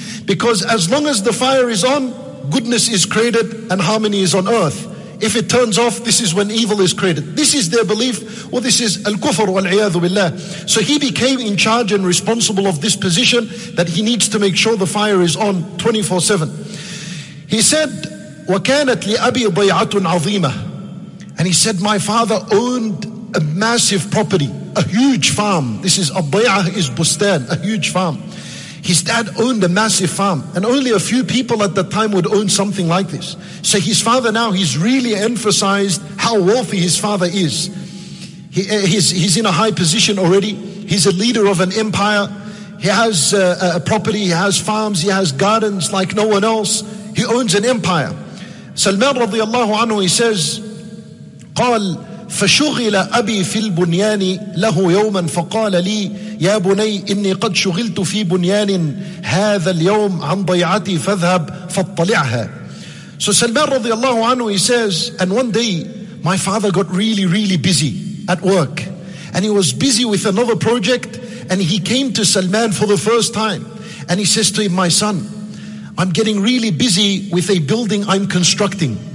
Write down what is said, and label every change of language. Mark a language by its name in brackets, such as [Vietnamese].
[English] Because as long as the fire is on, goodness is created and harmony is on earth. If it turns off, this is when evil is created. This is their belief. Well, this is al-kufr wal-iyadu billah. So he became in charge and responsible of this position, that he needs to make sure the fire is on 24/7. He said, [Arabic] وَكَانَتْ لِأَبِي ضَيْعَةٌ عَظِيمَةٌ. [English] And he said, my father owned a massive property, a huge farm. This is, al-bay'ah is bustan, a huge farm. His dad owned a massive farm, and only a few people at that time would own something like this. So his father now, he's really emphasized how wealthy his father is. He's in a high position already. He's a leader of an empire. He has a property, he has farms, he has gardens like no one else. He owns an empire. Salman radiallahu anhu, he says, [Arabic] قال فشغل أبي في البنيان له يوما فقال لي يا بني إني قد شغلت في بنيان هذا اليوم عن ضيعتي فاذهب فاطلعها. [English] So Salman radiallahu anhu, he says, and one day my father got really, really busy at work, and he was busy with another project, and he came to Salman for the first time, and he says to him, my son, I'm getting really busy with a building I'm constructing.